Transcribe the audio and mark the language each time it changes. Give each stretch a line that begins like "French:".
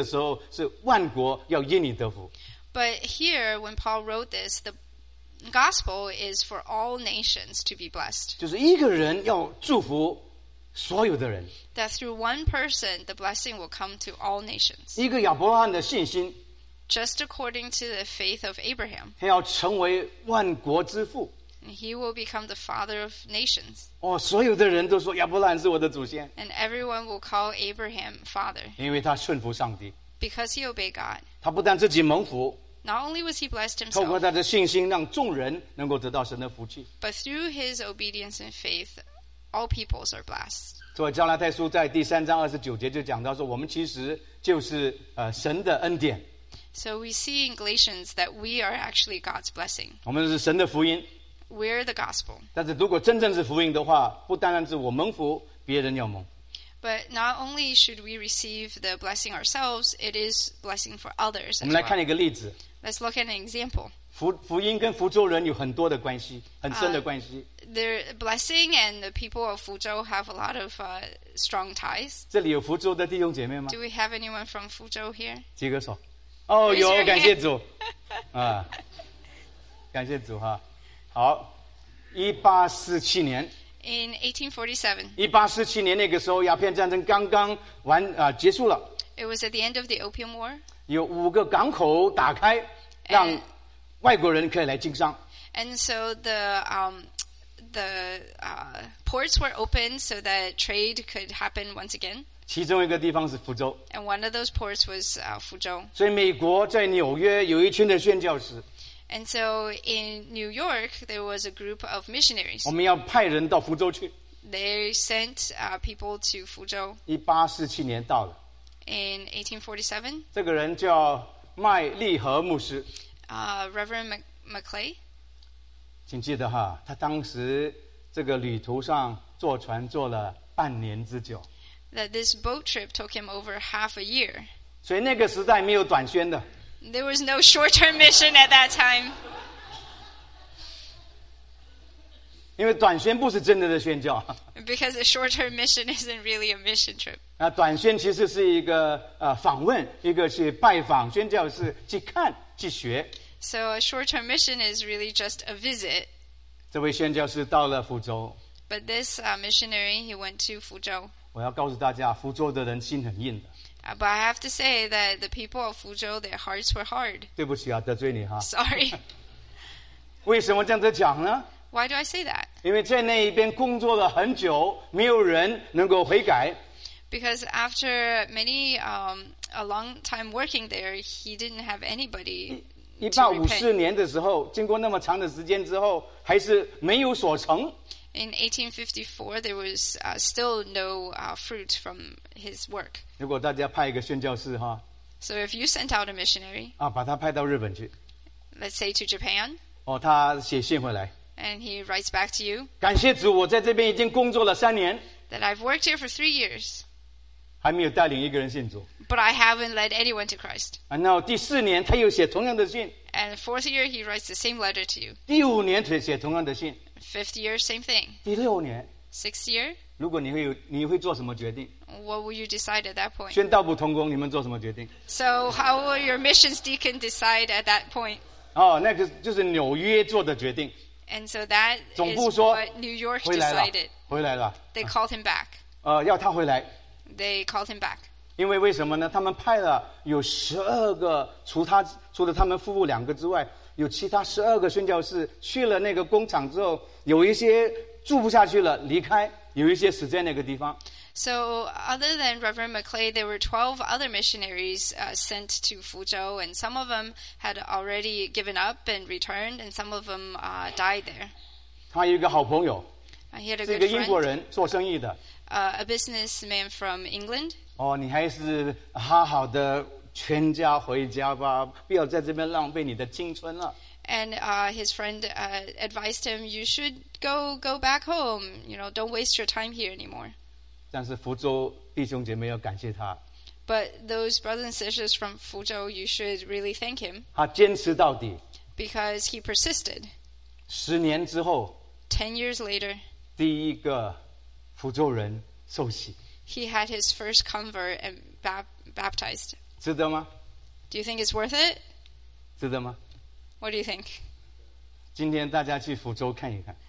Chinese: 但是当保罗把这个福音把它写成圣经的意思的时候，是万国要因你得福。
English: But here, when Paul wrote this, the gospel is for all nations to be blessed.
Chinese: 就是一个人要祝福所有的人。
English: That through one person, the blessing will come to all nations.
Chinese: 一个亚伯拉罕的信心。
English: Just according to the faith of Abraham.
Chinese: 他要成为万国之父。
English: He will become the father of nations.
Chinese: 哦, 所有的人都说亚伯兰是我的祖先。
English: And everyone will call Abraham father.
Chinese: 因为他顺服上帝。
English: Because he obeyed God.
Chinese: 他不但自己蒙福。
English: Not only was he blessed himself.
Chinese: 透过他的信心让众人能够得到神的福气。
English: But through his obedience and faith, all peoples are blessed.
Chinese: 所以加拉太书在第三章29节就讲到说，我们其实就是神的恩典。
English: So we see in Galatians that we are actually God's blessing.
Chinese: 我们是神的福音。
English: we're the gospel.
Chinese: 但是如果真正是福音的话，不单单是我蒙福，别人要蒙。
English: But not only should we receive the blessing ourselves, it is blessing for others.
Chinese: 我们来看一个例子。
English: Let's look at an example.
Chinese: 福音跟福州人有很多的关系，很深的关系。
English: The blessing and the people of 福州 have a lot of strong ties.
Chinese: 这里有福州的弟兄姐妹吗
English: ？Do we have anyone from 福州 here?
Chinese: 举个手。哦，有，感谢主。啊，感谢主哈。好，1847年。
English: In 1847.
Chinese: 1847年那个时候，鸦片战争刚刚完啊、结束了。
English: It was at the end of the Opium War.
Chinese: 有五个港口打开，让外国人可以来经商。
English: And so the ports were open so that trade could happen once again.
Chinese: 其中一个地方是福州。
English: And one of those ports was 福州。
Chinese: 所以美国在纽约有一群的宣教士。
English: And so in New York, there was a group of missionaries.
Chinese: 我们要派人到福州去。
English: They sent people to 福州。
Chinese: 1847年到了。
English: In 1847,
Chinese: 这个人叫麦利和牧师。
English: Reverend McClay.
Chinese: 请记得哈，他当时这个旅途上坐船坐了半年之久。
English: That this boat trip took him over half a year.
Chinese: 所以那个时代没有短宣的。
English: There was no short-term mission at that time.
Chinese: 因为短宣不是真的的宣教。
English: Because a short-term mission isn't really a mission trip.
Chinese: 短宣其实是一个访问，一个是拜访，宣教是去看去学。
English: So a short-term mission is really just a visit.
Chinese: 这位宣教是到了福州。
English: But this missionary, he went to 福州。
Chinese: 我要告诉大家，福州的人心很硬的。
English: But I have to say that the people of 福州 their hearts were hard.
Chinese: 对不起啊，得罪你哈。
English: Sorry.
Chinese: 为什么这样子讲呢
English: ？Why do I say that?
Chinese: 因为在那一边工作了很久，没有人能够悔改。
English: Because after many a long time working there, he didn't have anybody.
Chinese: 1854年的时候，经过那么长的时间之后，还是没有所成。
English: In 1854, there was still no fruit from his work.
Chinese: 如果大家派一个宣教士哈
English: ，So if you sent out a missionary,
Chinese: 啊，把他派到日本去
English: ，Let's say to Japan.
Chinese: 哦，他写信回来
English: ，And he writes back to you.
Chinese: 感谢主，我在这边已经工作了三年
English: ，That I've worked here for 3 years.
Chinese: 还没有带领一个人信主
English: ，But I haven't led anyone to Christ.
Chinese: 啊，那第四年他又写同样的信
English: ，And fourth year he writes the same letter to you.
Chinese: 第五年他写同样的信。
English: Fifth year, same thing.
Chinese: 第六年
English: Sixth year.
Chinese: 如果你会做什么决定
English: What will you decide at that point?
Chinese: 宣道不同工，你们做什么决定
English: So how will your missions deacon decide at that point?
Chinese: 哦，那个就是纽约做的决定
English: And so that is what New York decided.
Chinese: 回来了
English: They called him back.
Chinese: 要他回来
English: They called him back.
Chinese: 因为为什么呢？他们派了有12个，除了他们夫妇两个之外。有其他12个宣教士去了那个工厂之后，有一些住不下去了，离开；有一些死在那个地方。
English: So other than Reverend McClay, there were 12 other missionaries sent to 福州, and some of them had already given up and returned, and some of them died there.
Chinese: 他有一个好朋友，
English: he had a good friend,
Chinese: 是一个英国人做生意的，
English: a businessman from England.
Chinese: 哦，你还是好好的。全家回家吧，不要在这边浪费你的青春了。
English: And his friend advised him, "You should go back home. You know, don't waste your time here anymore."
Chinese: 但是福州弟兄姐妹要感谢他。
English: But those brothers and sisters from 福州, you should really thank him.
Chinese: 他坚持到底。
English: Because he persisted.
Chinese: 10年之后。
English: 10 years later.
Chinese: 第一个福州人受洗。
English: He had his first convert and baptized.
Chinese: 值得吗
English: ？Do you think it's worth it？
Chinese: 值得吗
English: ？What do you think？
Chinese: 今天大家去福州看一看。